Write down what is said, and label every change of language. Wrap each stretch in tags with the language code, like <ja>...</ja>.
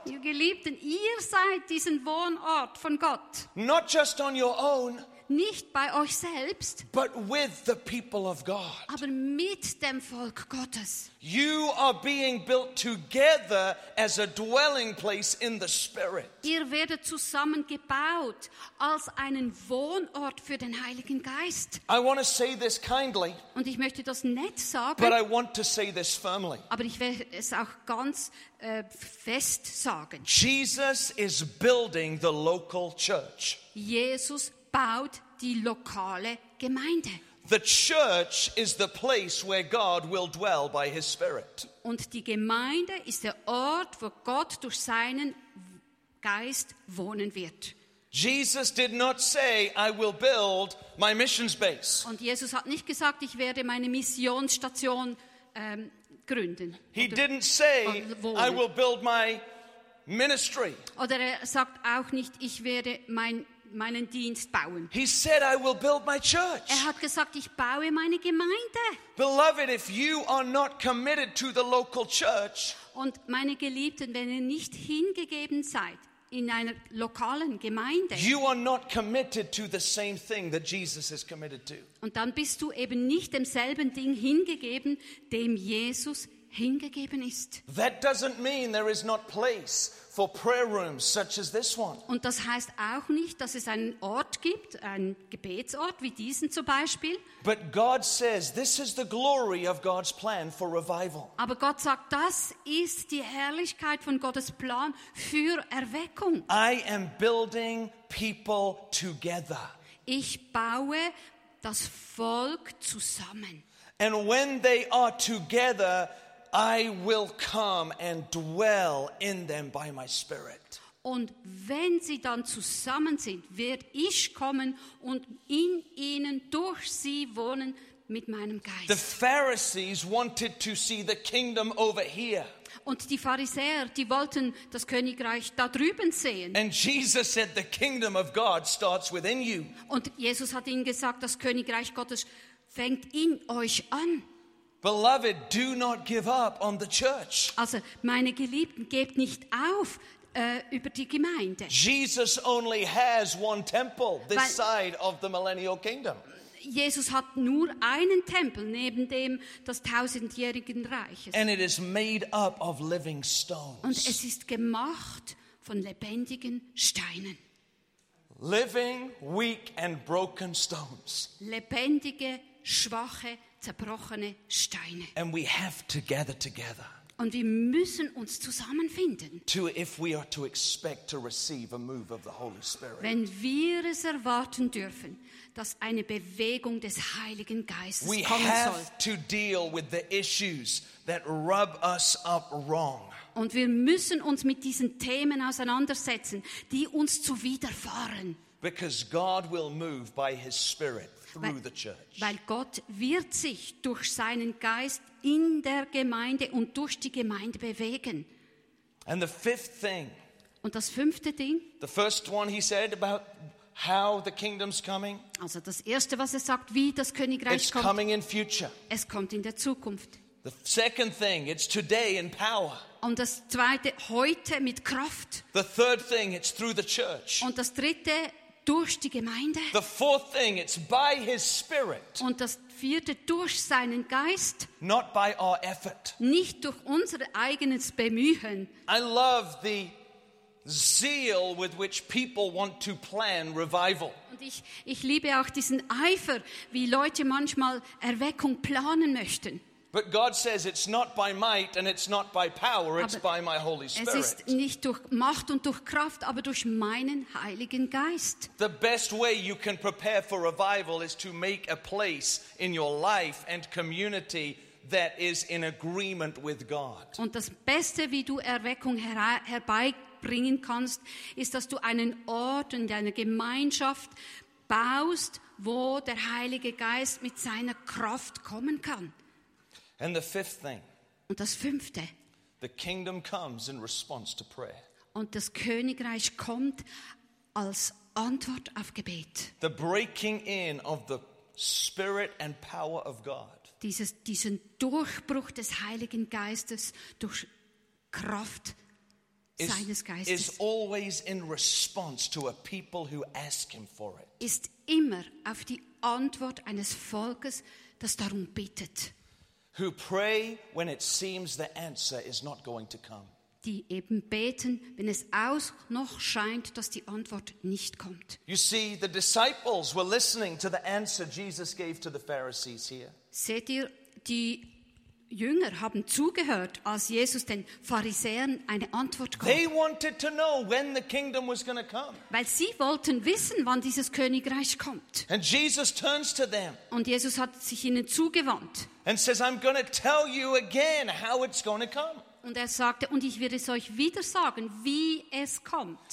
<de>Ihr Geliebten, ihr seid diesen Wohnort von Gott.</de> <en>Not just on your own.</en> <de>Nicht bei euch selbst,</de> <en>but with the people of God.</en> <de>Aber mit dem Volk Gottes.</de> <en>You are being built together as a dwelling place in the Spirit.</en> <de>Ihr werdet zusammengebaut als einen Wohnort für den Heiligen Geist.</de> <en>I want to say this kindly.</en> <de>Und ich möchte das nett sagen.</de> <en>But I want to say this firmly.</en> <de>Aber ich werde es auch ganz fest sagen.</de> <en>Jesus is building the local church.</en> <de>Jesus baut die lokale Gemeinde.</de> <en>The church is the place where God will dwell by his Spirit.</en> <de>Und die Gemeinde ist der Ort, wo Gott durch seinen Geist wohnen wird.</de> <en>Jesus did not say, I will build my missions base.</en> <de>Und Jesus hat nicht gesagt, ich werde meine Missionsstation gründen.</de> <en>He didn't say, I will build my ministry.</en> <de>Oder er sagt auch nicht, ich werde meinen Dienst bauen.</de> <en>He said, I will build my church.</en> <de>Er hat gesagt, ich baue meine Gemeinde.</de> <en>Beloved, if you are not committed to the local church,</en> <de>und meine Geliebten, wenn ihr nicht hingegeben seid in einer lokalen Gemeinde,</de> <en>you are not committed to the same thing that Jesus is committed to.</en> <de>Und dann bist du eben nicht demselben Ding hingegeben, dem Jesus hingegeben ist.</de> <en>That doesn't mean there is not place for prayer rooms such as this one.</en> <de>Und das heißt auch nicht, dass es einen Ort gibt, einen Gebetsort wie diesen zum Beispiel.</de> <en>But God says this is the glory of God's plan for revival.</en> <de>Aber Gott sagt, das ist die Herrlichkeit von Gottes Plan für Erweckung.</de> <en>I am building people together.</en> <de>Ich baue das Volk zusammen.</de> <en>And when they are together, I will come and dwell in them by my Spirit.</en> <de>Und wenn sie dann zusammen sind, werde ich kommen und in ihnen durch sie wohnen mit meinem Geist.</de> <en>The Pharisees wanted to see the kingdom over here.</en> <de>Und die Pharisäer, die wollten das Königreich da drüben sehen.</de> <en>And Jesus said, the kingdom of God starts within you.</en> <de>Und Jesus hat ihnen gesagt, das Königreich Gottes fängt in euch an.</de> <en>Beloved, do not give up on the church.</en> <de>Also, meine Geliebten, gebt nicht auf über die Gemeinde.</de> <en>Jesus only has one temple this side of the millennial kingdom.</en> <de>Jesus hat nur einen Tempel neben dem des tausendjährigen Reiches.</de> <en>And it is made up of living stones.</en> <de>Und es ist gemacht von lebendigen Steinen.</de> <en>Living, weak and broken stones.</en> <de>Lebendige, schwache, zerbrochene Steine.</de> <en>And we have to gather together.</en> <de>Und wir müssen uns zusammenfinden.</de> <en>To, if we are to expect to receive a move of the Holy Spirit.</en> <de>Wenn wir es erwarten dürfen, dass eine Bewegung des Heiligen Geistes</de> <en>we</en> <de>kommen soll.</de> <en>We have to deal with the issues that rub us up wrong.</en> <de>Und wir müssen uns mit diesen Themen auseinandersetzen, die uns zuwiderfahren.</de> <en>Because God will move by his Spirit through the church.</en> <de>Weil Gott wird sich durch seinen Geist in der Gemeinde und durch die Gemeinde bewegen.</de> <en>And the fifth thing,</en> <de>und das fünfte Ding,</de> <en>the first one he said about how the kingdom's coming,</en> <de>also das erste, was er sagt, wie das Königreich</de> <en>it's</en> <de>kommt,</de> <en>coming in future.</en> <de>Es kommt in der Zukunft.</de> <en>The second thing, it's today in power.</en> <de>Und das zweite, heute mit Kraft.</de> <en>The third thing, it's through the church.</en> <de>Und das dritte, durch die Gemeinde.</de> <en>The fourth thing, it's by his Spirit.</en> <de>Und das vierte, durch seinen Geist.</de> <en>Not by our effort.</en> <de>Nicht durch unser eigenes Bemühen.</de> <en>I love the zeal with which people want to plan revival.</en> <de>Und ich liebe auch diesen Eifer, wie Leute manchmal Erweckung planen möchten.</de> <en>But God says it's not by might and it's not by power, it's</en> <de>aber</de> <en>by my Holy Spirit.</en> <de>Es ist nicht durch Macht und durch Kraft, aber durch meinen Heiligen Geist.</de> <en>The best way you can prepare for revival is to make a place in your life and community that is in agreement with God.</en> <de>Und das Beste, wie du Erweckung herbeibringen kannst, ist, dass du einen Ort und eine Gemeinschaft baust, wo der Heilige Geist mit seiner Kraft kommen kann.</de> <en>And the fifth thing.</en> <de>Und das fünfte.</de> <en>The kingdom comes in response to prayer.</en> <de>Und das Königreich kommt als Antwort auf Gebet.</de> <en>The breaking in of the Spirit and power of God.</en> <de>Diesen Durchbruch des Heiligen Geistes durch Kraft seines Geistes.</de> <en>Is always in response to a people who ask him for it.</en> <de>Ist immer auf die Antwort eines Volkes, das darum bittet.</de> <en>Who pray when it seems the answer is not going to come.</en> <de>Die eben beten, wenn es auch noch scheint, dass die Antwort nicht kommt.</de> <en>You see, the disciples were listening to the answer Jesus gave to the Pharisees here.</en> <de>Seht ihr, die Jünger haben zugehört, als Jesus den Pharisäern eine Antwort gab.</de> <en>They wanted to know when the kingdom was going to come.</en> <de>Weil sie wollten wissen, wann dieses Königreich kommt.</de> <en>And Jesus turns to them.</en> <de>Und Jesus hat sich ihnen zugewandt.</de> <en>And says, I'm going to tell you again how it's going to come.</en> <de>Und er sagte, und ich werde es euch wieder sagen, wie es kommt.</de>